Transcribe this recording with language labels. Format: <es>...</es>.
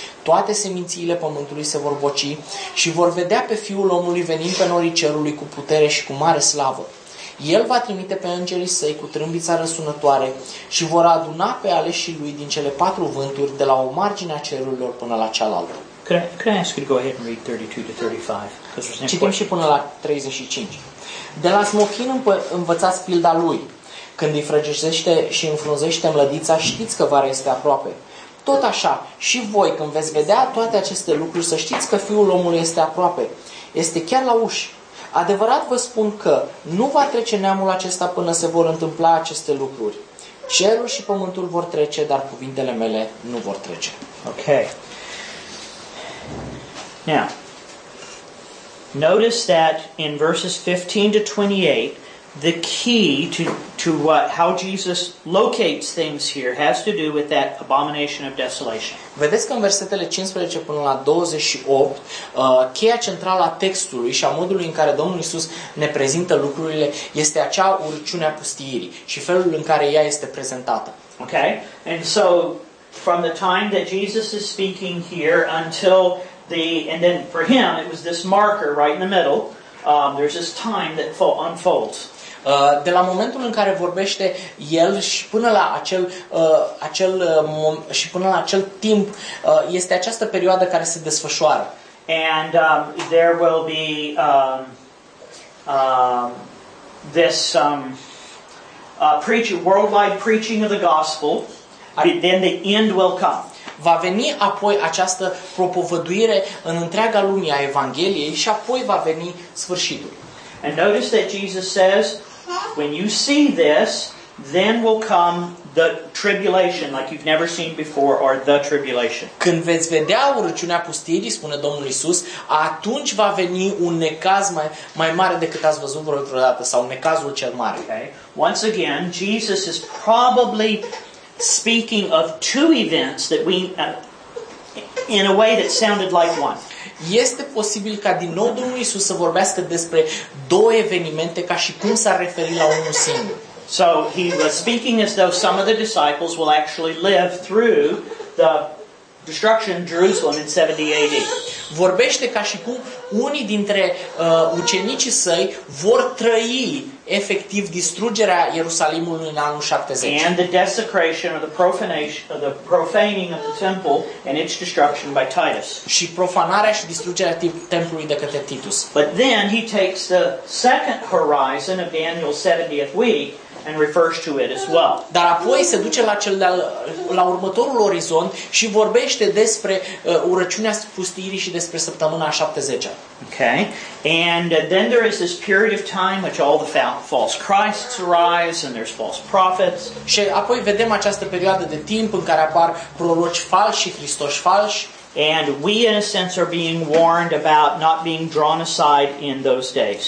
<ro>Toate semințiile pământului se vor boci și vor vedea pe Fiul Omului venind pe norii cerului cu putere și cu mare slavă. El va trimite pe îngerii săi cu trâmbița răsunătoare și vor aduna pe aleșii lui din cele patru vânturi de la o margine a cerurilor până la cealaltă.</ro> <en>Can I ask you to go ahead and read 32 to 35?</en> <ro>Citim și până la 35. De la smochin învățați pilda lui. Când îi frăgeșește și înfrunzește mlădița, știți că vara este aproape. Tot așa, și voi, când veți vedea toate aceste lucruri, să știți că Fiul Omului este aproape. Este chiar la uși. Adevărat vă spun că nu va trece neamul acesta până se vor întâmpla aceste lucruri. Cerul și pământul vor trece, dar cuvintele mele nu vor trece.</ro> <en>Ok. Now, notice that in verses 15 to 28, the key to how Jesus locates things here has to do with that abomination of desolation.</en> <ro>Vedeți că în versetele 15 până la 28, cheia centrală a textului și a modului în care Domnul Iisus ne prezintă lucrurile este acea urciune a pustiirii și felul în care ea este prezentată.</ro> <en>Okay? And so from the time that Jesus is speaking here until and then for him it was this marker right in the middle, there's this time that unfolds.</en> <ro>De la momentul în care vorbește el și până la acel timp, este această perioadă care se desfășoară.</ro> <en>And there will be worldwide preaching of the gospel. Then the end will come.</en> <ro>Va veni apoi această propovăduire în întreaga lume a Evangheliei și apoi va veni sfârșitul.</ro> <en>And notice that Jesus says, when you see this, then will come the tribulation like you've never seen before, or the tribulation.</en> <ro>Când veți vedea urăciunea pustiirii, spune Domnul Iisus, atunci va veni un necaz mai mare decât ați văzut vreodată, sau necazul cel mare.</ro> <en>Okay. Once again, Jesus is probably speaking of two events that we, in a way that sounded like one.</en> <ro>Este posibil ca din nou Domnul Iisus să vorbească despre două evenimente ca și cum s-ar referi la unul singur.</ro> <en>So he was speaking as though some of the disciples will actually live through the destruction of Jerusalem in 70 AD.</en> <ro>Vorbește ca și cum unii dintre ucenicii săi vor trăi efectiv distrugerea Ierusalimului în anul 70.</ro> <en>And the desecration or the profanation, the profaning of the temple and its destruction by Titus.</en> <ro>Și profanarea și distrugerea templului de către Titus.</ro> <en>But then he takes the second horizon of Daniel's 70th week and refers to it as well.</en> <ro>Dar apoi se duce la cel la următorul orizont și vorbește despre urăciunea pustiirii și despre săptămâna a 70-a.</ro> <en>Okay. And then there is this period of time which all the false Christs arise and there's false prophets.</en> <ro>Și apoi vedem această perioadă de timp în care apar proroci falși și Hristoși falși.</ro> <en>And we, in a sense, are being warned about not being drawn aside in those days.</en>